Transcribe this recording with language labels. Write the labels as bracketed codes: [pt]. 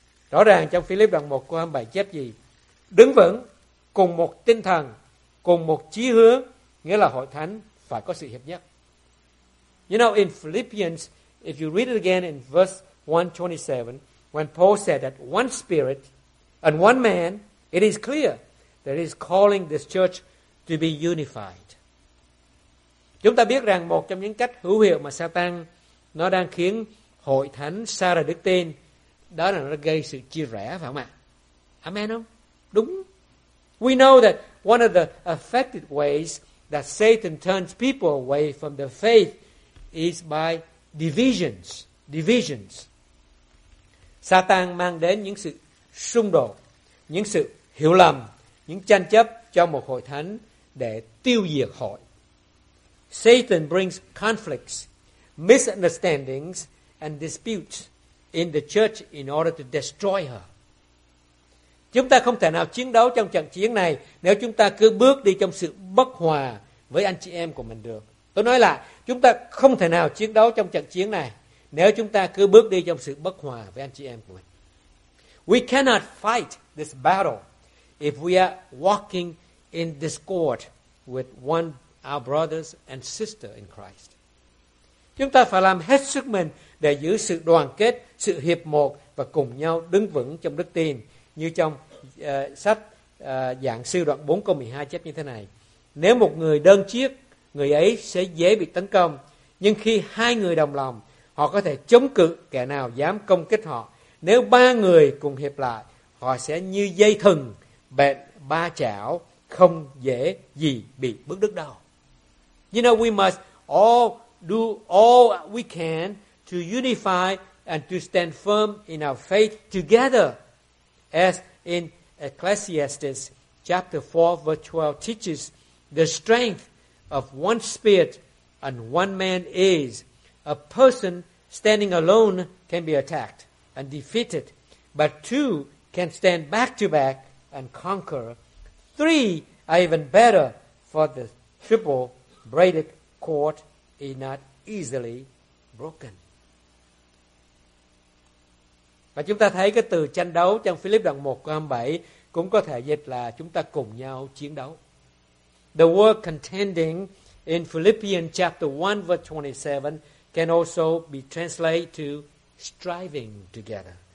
[vi] Rõ ràng trong Philip đoạn 1 câu 27 chép gì? Đứng vững cùng một tinh thần, cùng một chí hướng, nghĩa là hội thánh phải có sự hiệp nhất. [en] You know, in Philippians, if you read it again in verse 1:27, when Paul said that one spirit and one man, it is clear that he is calling this church to be unified. [vi] Chúng ta biết rằng một trong những cách hữu hiệu mà Satan nó đang khiến hội thánh xa rời đức tin, đó là nó gây sự chia rẽ, phải không ạ? Amen không? Đúng. [en] We know that one of the effective ways that Satan turns people away from the faith is by divisions. [vi] Satan mang đến những sự xung đột, những sự hiểu lầm, những tranh chấp cho một hội thánh để tiêu diệt hội. [en] Satan brings conflicts, misunderstandings and disputes in the church in order to destroy her. [vi] Chúng ta không thể nào chiến đấu trong trận chiến này nếu chúng ta cứ bước đi trong sự bất hòa với anh chị em của mình được. Tôi nói là chúng ta không thể nào chiến đấu trong trận chiến này nếu chúng ta cứ bước đi trong sự bất hòa với anh chị em của mình. [en] We cannot fight this battle if we are walking in discord with one our brothers and sister in Christ. [vi] Chúng ta phải làm hết sức mình để giữ sự đoàn kết, sự hiệp một và cùng nhau đứng vững trong đức tin. Như trong sách giảng sư đoạn 4 câu 12 chép như thế này. Nếu một người đơn chiếc, người ấy sẽ dễ bị tấn công. Nhưng khi hai người đồng lòng, họ có thể chống cự kẻ nào dám công kích họ. Nếu ba người cùng hiệp lại, họ sẽ như dây thừng, bện ba chảo, không dễ gì bị bứt đứt đâu. [en] You know, we must all do all we can to unify and to stand firm in our faith together. As in Ecclesiastes chapter 4 verse 12 teaches, the strength of one spirit and one man is a person standing alone can be attacked and defeated, but two can stand back to back and conquer. Three are even better, for the triple braided cord is not easily broken. [vi] Và chúng ta thấy cái từ tranh đấu trong Philip đoạn 1 câu 27 cũng có thể dịch là chúng ta cùng nhau chiến đấu. [en] The word contending in Philippians chapter 1 verse 27 can also be translated to striving together.